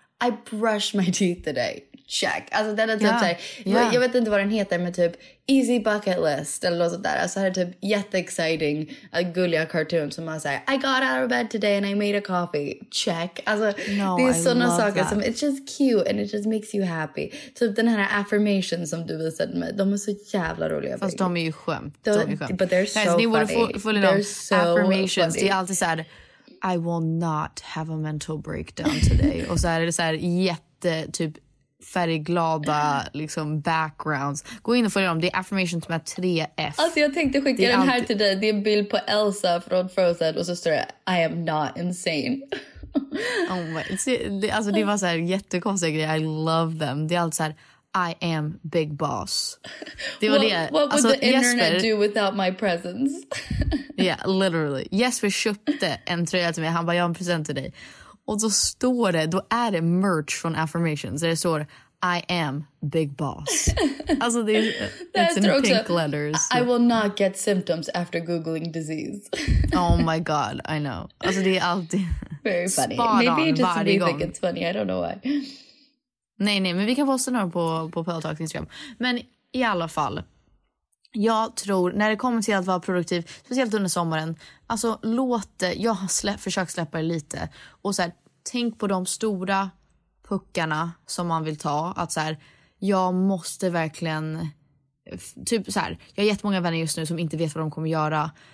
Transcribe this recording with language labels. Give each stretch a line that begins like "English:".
English: I brush my teeth today. Check.
Swedish: Alltså den är typ jag vet inte vad den heter, men typ easy bucket list eller något sånt där. Alltså det är typ jätteexciting, gulliga cartoon som man säger,
English: I got out of bed today and I made a coffee. Check.
Swedish: Alltså no, det är sådana saker that.
English: Som, it's just cute and it just makes you happy.
Swedish: Typ den här affirmation som du visade mig, de är så jävla roliga. Fast de är ju skämt.
English: But they're so funny. They're so affirmations. Funny.
Swedish: Det är alltid såhär,
English: I will not have a mental breakdown today.
Swedish: Och så är det såhär jätte typ färgglada liksom backgrounds. Gå in och följ dem, det är affirmation som är 3F. Alltså jag tänkte skicka den här till dig. Det är en bild på Elsa från Frozen. Och så står det,
English: I am not insane. Oh my.
Swedish: Alltså det var så här jättekonstiga grejer.
English: I love them,
Swedish: det är alltid så här,
English: I am big boss.
Swedish: Det var
English: what,
Swedish: det.
English: What would alltså, the internet Jesper, do without my presence? Yeah, literally.
Swedish: Jesper köpte en tröja till mig. Han bara, jag har en present till dig. Och då står det, då är det merch från Affirmations. Där det står,
English: I am big boss.
Swedish: Alltså det är,
English: it's in pink
Swedish: också, letters.
English: I will not get symptoms after googling disease. Oh my god, I know.
Swedish: Alltså det är alltid
English: very funny. Maybe it just me think it's funny, I don't know why.
Swedish: Nej, nej, men vi kan posta några på Peltalks Instagram. Men i alla fall, jag tror, när det kommer till att vara produktiv, speciellt under sommaren, alltså låt det, jag har försökt släppa det lite. Och så här, tänk på de stora puckarna som man vill ta. Att så här, jag måste verkligen, typ så här, jag har jättemånga vänner just nu som inte vet vad de kommer göra.